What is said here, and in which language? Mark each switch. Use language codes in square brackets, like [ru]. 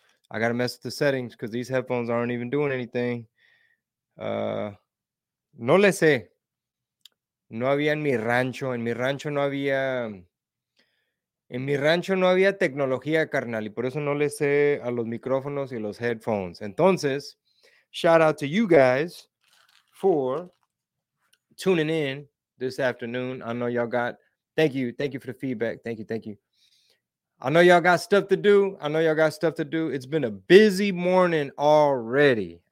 [en] I gotta mess with the settings because these headphones aren't even doing anything. [es] No le sé. No había en mi rancho no había. En mi rancho no había tecnología, carnal, y por eso no le sé a los micrófonos y los headphones. [en] Entonces, shout out to you guys for tuning in this afternoon. I know y'all got, thank you for the feedback. Thank you. I know y'all got stuff to do. It's been a busy morning already.